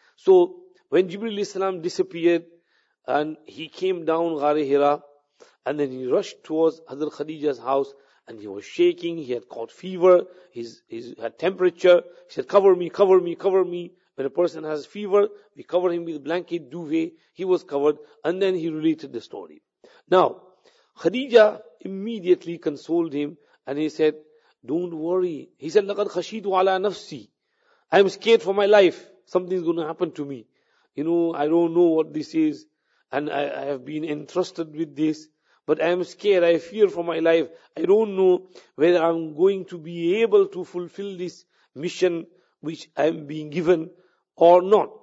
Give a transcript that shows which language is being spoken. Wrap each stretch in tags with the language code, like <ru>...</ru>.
<en>So when Jibreel sallam disappeared and he came down Ghar-e Hira, and then he rushed towards Hazrat Khadija's house and he was shaking, he had caught fever, his had temperature. He said, cover me, cover me, cover me. When a person has fever, we cover him with blanket, duvet. He was covered and then he related the story. Now, Khadija immediately consoled him and he said, don't worry. He said,</en> <ar>لَقَدْ خَشِيدُ عَلَىٰ نَفْسِي.</ar> <en>I am scared for my life. Something is going to happen to me. You know, I don't know what this is and I have been entrusted with this. But I am scared, I fear for my life. I don't know whether I'm going to be able to fulfill this mission which I am being given or not.</en>